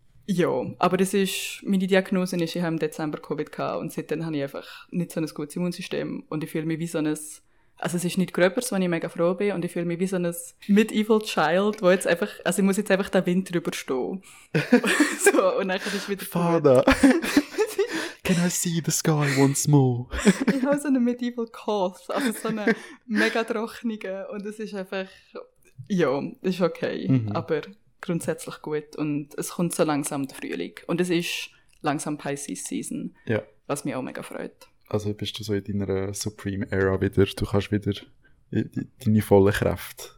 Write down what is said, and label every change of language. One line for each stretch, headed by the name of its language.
German: Ja, aber das ist, meine Diagnose ist, ich habe im Dezember Covid gehabt und seitdem habe ich einfach nicht so ein gutes Immunsystem und ich fühle mich wie so ein, also es ist nicht gröbers, wenn ich mega froh bin und ich fühle mich wie so ein
English: Medieval Child,
German: wo jetzt einfach, also ich muss jetzt einfach den Winter überstehen. So, und dann ist wieder
English: Vater, can I see the sky once more?
German: Ich habe so einen
English: Medieval Cough,
German: also so einen mega trockenen und es ist einfach, ja, das ist okay, aber grundsätzlich gut und es kommt so langsam der Frühling. Und es ist langsam
English: Pisces Season,
German: ja. Was mich auch mega freut. Also bist du so in deiner
English: Supreme Era
German: wieder, du kannst wieder deine volle Kraft.